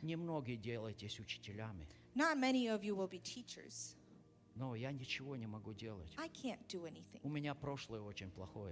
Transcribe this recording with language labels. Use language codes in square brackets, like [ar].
[ru] немногие делаетесь учителями. [en] Not many of you will be teachers. [ru] Но я ничего не могу делать. [en] I can't do anything. [ru] У меня прошлое очень плохое.